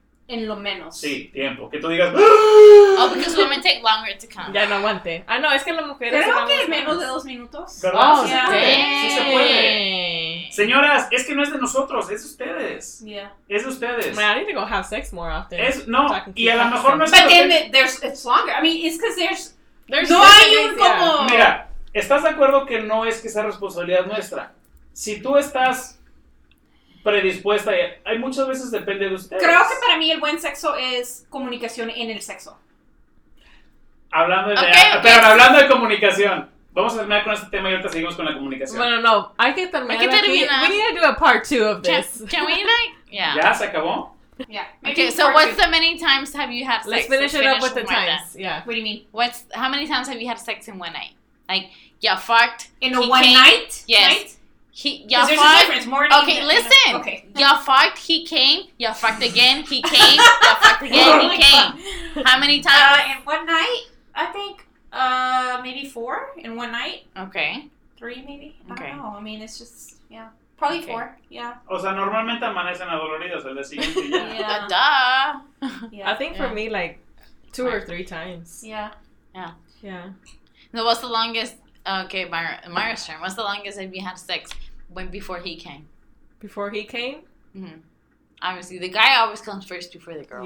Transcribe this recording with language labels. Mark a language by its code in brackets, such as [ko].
[es] En lo menos. Sí, tiempo. Que tú digas... [en] Oh, because women take longer to come. [es] Ya no aguante. Ah, no, es que las mujeres... Creo que es menos de 2 minutos. ¿Verdad? Oh, yeah. Sí se puede. Señoras, es que no es de nosotros, es de ustedes. [en] Yeah. [es] Es de ustedes. [en] Man, I need to go have sex more often. [es] Es, no, y a lo mejor no es... [en] But then it's longer. I mean, it's because there's... [es] No hay un como... Mira, ¿estás de acuerdo que no es que sea responsabilidad nuestra? Si tú estás... predispuesta, hay muchas veces depende de ustedes. Creo que para mí el buen sexo es comunicación en el sexo. Hablando de... hablando de comunicación, vamos a terminar con este tema y ahorita seguimos con la comunicación. Bueno, no, hay que terminar. [en] We need to do a part two of this. Can we, like... Yeah. [es] ¿Ya? ¿Se acabó? [en] Yeah. Okay, so what's the many times have you had sex? Let's finish up with the times. Yeah. What do you mean? How many times have you had sex in one night? Like, you fucked. In one night? Yes. Night? Y'all fucked, he came, y'all fucked again, he came, y'all fucked again, he came. How many times? In one night, I think, maybe 4 in one night. Okay. 3 maybe, okay. I don't know, I mean, it's just, yeah, probably okay. 4, yeah. [es] O sea, normalmente amanecen adoloridos el día siguiente. [en] Yeah. Duh. Yeah. I think for me, like, 2 or 3 times. Yeah. No, what's the longest? Okay, Myra's turn. What's the longest have you had sex when before he came? Before he came? Mm-hmm. Obviously, the guy always comes first before the girl.